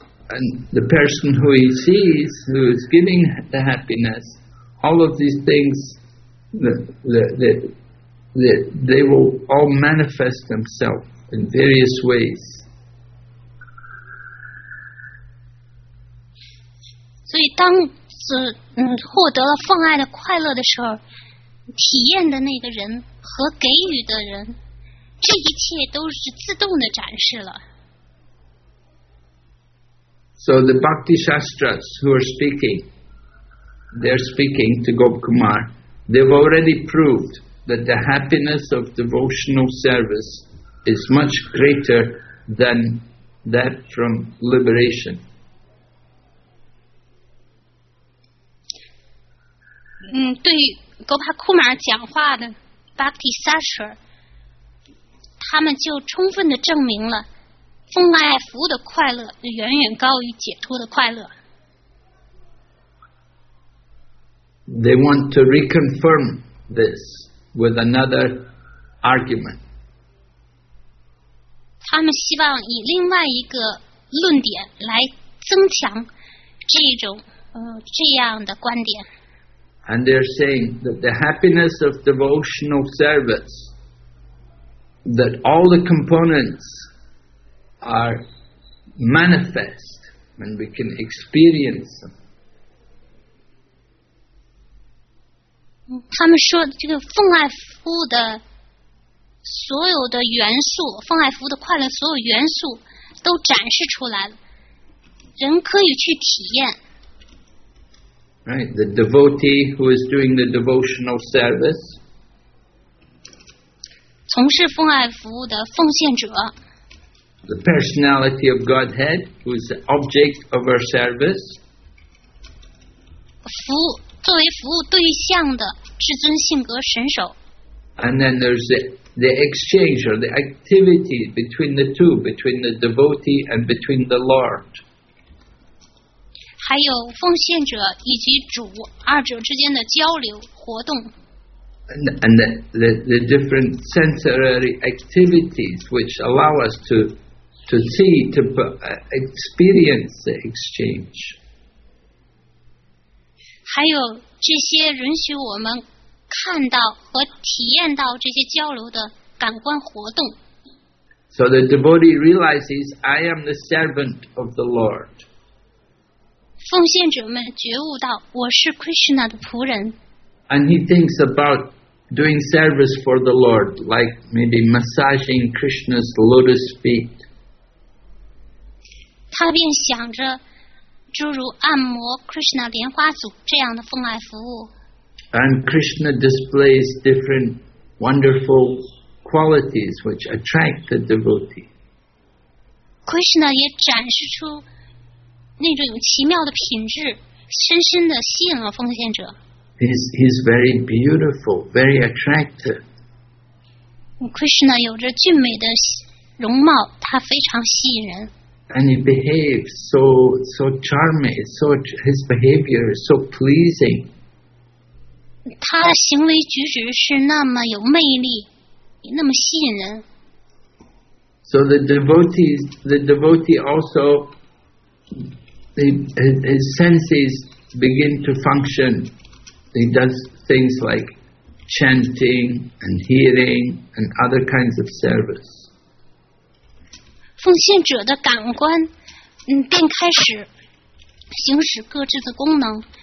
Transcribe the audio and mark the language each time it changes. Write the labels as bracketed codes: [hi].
[en] And the person who he sees, who is giving the happiness, all of these things, they will all manifest themselves in various ways. [zh] 所以当获得了奉爱的快乐的时候，体验的那个人和给予的人，这一切都是自动的展示了。 [en] So the Bhakti Shastras who are speaking, they're speaking to Gop Kumar, they've already proved that the happiness of devotional service is much greater than that from liberation. [zh] 对 Gopa Kumar 讲话的 Bhakti Shastras, 他们就充分地证明了奉爱服务的快乐远远高于解脱的快乐。 [en] They want to reconfirm this with another argument. [zh] 他们希望以另外一个论点来增强这种这样的观点。 [en] And they're saying that the happiness of devotional service, that all the components. Are manifest when we can experience them. [zh] 他们说这个奉爱服务的所有的元素，奉爱服务的快乐所有元素都展示出来了，人可以去体验。 [en] Right, the devotee who is doing the devotional service. [zh] 从事奉爱服务的奉献者。 [en] The personality of Godhead, who is the object of our service. [zh] 服务作为服务对象的至尊性格神手。 [en] And then there's the exchange or the activity between the two, between the devotee and between the Lord. [zh] 还有奉献者以及主二者之间的交流活动。 [en] And the different sensory activities which allow us to see, to experience the exchange. [zh] 还有这些允许我们看到和体验到这些交流的感官活动。 [en] So the devotee realizes, I am the servant of the Lord. [zh] 奉献者们觉悟到我是 Krishna 的仆人。 [en] And he thinks about doing service for the Lord, like maybe massaging Krishna's lotus feet. [zh] 他便想着诸如按摩 Krishna 莲花足这样的奉爱服务。 [en] And Krishna displays different wonderful qualities which attract the devotee. [zh] Krishna 也展示出那种有奇妙的品质，深深地吸引了奉献者。 [en] He's very beautiful, very attractive. [zh] Krishna 有着俊美的容貌，他非常吸引人。 [en] And he behaves so charming, his behavior is so pleasing. [zh] 他行为举止是那么有魅力，那么吸引人。 [en] So the devotee also, his senses begin to function. He does things like chanting and hearing and other kinds of service. [zh] 奉献者的感官，便开始行使各自的功能。